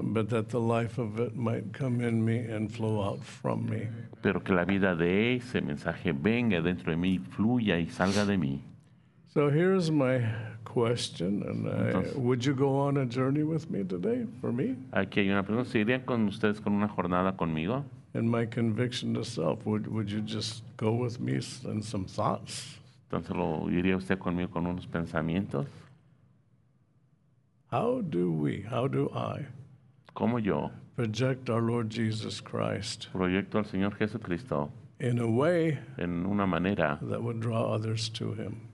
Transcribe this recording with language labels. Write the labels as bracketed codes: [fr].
[en] but that the life of it might come in me and flow out from me. [es] Pero que la vida de ese mensaje venga dentro de mí, fluya y salga de mí. [en] So here is my question, and would you go on a journey with me today, for me? [es] Aquí hay una pregunta, ¿se irían con ustedes con una jornada conmigo? [en] And my conviction to self, would you just go with me and some thoughts? [es] ¿Entonces lo iría usted conmigo con unos pensamientos? [en] How do I? [es] ¿Cómo yo? [en] Project our Lord Jesus Christ. [es] Proyecto al Señor Jesucristo. [en] In a way. [es] En una manera. [en] That would draw others to Him.